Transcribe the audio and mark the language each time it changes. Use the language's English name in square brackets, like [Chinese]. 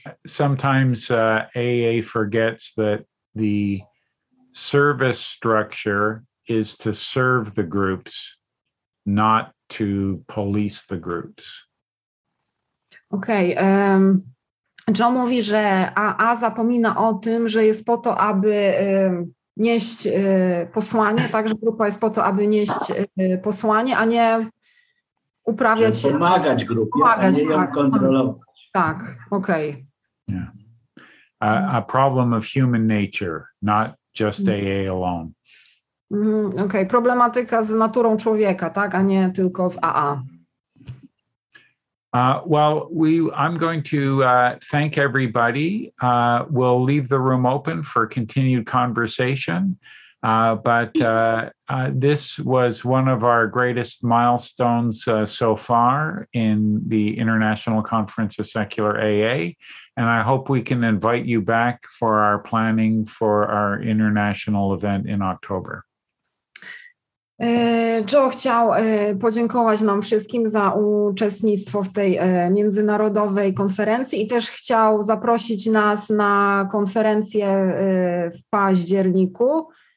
[English] Sometimes AA forgets that the service structure is to serve the groups, not to police the groups. Okay. [Polish] Joe mówi, że AA zapomina o tym, że jest po to, aby nieść posłanie, także grupa jest po to, aby nieść posłanie, a nie uprawiać się. Pomagać grupie, a nie ją kontrolować. Tak, okej. [English] Okay. Yeah. A problem of human nature, not just AA alone. [Polish] Okay, problematyka z naturą człowieka, tak, a nie tylko z AA. [English] I'm going to thank everybody. We'll leave the room open for continued conversation. This was one of our greatest milestones so far in the International Conference of Secular AA. And I hope we can invite you back for our planning for our international event in October. [Polish] Joe chciał podziękować nam wszystkim za uczestnictwo w tej międzynarodowej konferencji i też chciał zaprosić nas na konferencję w październiku.